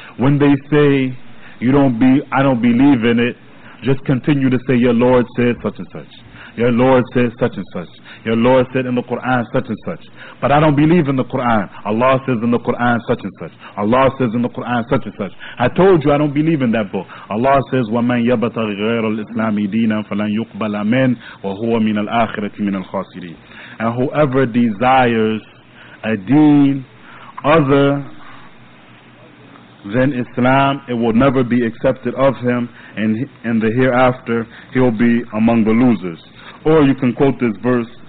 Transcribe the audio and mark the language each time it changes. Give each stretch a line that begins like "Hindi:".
English: When they say, I don't believe in it, just continue to say, your Lord said such and such. Your Lord said such and such. Your Lord said in the Quran such and such. But I don't believe in the Quran. Allah says in the Quran such and such. Allah says in the Quran such and such. I told you I don't believe in that book.
Arabic: Allah says, وَمَنْ يَبَتَغْ غَيْرَ الْإِسْلَامِ دِينًا فَلَنْ يُقْبَلَ مِنْ وَهُوَ مِنَ الْآخِرَةِ مِنَ الْخَاسِرِينَ.
English: And whoever desires a deen other than Islam, it will never be accepted of him, and in the hereafter, he'll be among the losers. Or you can quote this verse